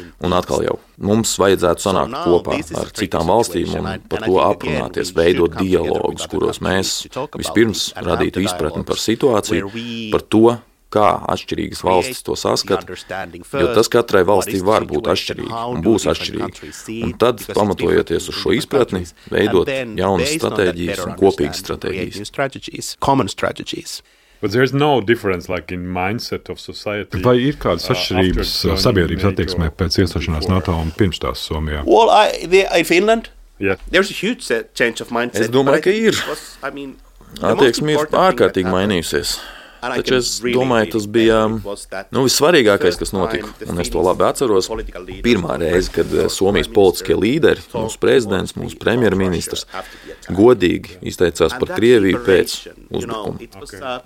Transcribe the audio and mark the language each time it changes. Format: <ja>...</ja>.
<lv>Un atkal jau, mums vajadzētu sanākt kopā ar citām valstīm un par to aprunāties, veidot dialogus, kuros mēs vispirms radītu izpratni par situāciju, par to, kā atšķirīgas valstis to saskata, jo tas katrai valstī var būt atšķirīgi un būs atšķirīgi. Un tad, pamatojoties uz šo izpratni, veidot jaunas stratēģijas un kopīgas stratēģijas.</lv> <en>But there is no difference like in mindset of society.</en> <lv>Vai ir kādas atšķirības sabiedrības attieksmē pēc iestāšanās NATO un pirms tās Somijā?</lv> <en>Well, in Finland, there's a huge change of mindset.</en> <lv>Es domāju, ka ir. Attieksme ir ārkārtīgi mainījusies. Taču es domāju, tas bija vissvarīgākais, kas notika, un es to labi atceros. Pirmā reize, kad Somijas politiskie līderi, mūsu prezidents, mūsu premjerministrs, godīgi izteicās par Krieviju pēc uzbrukuma.</lv>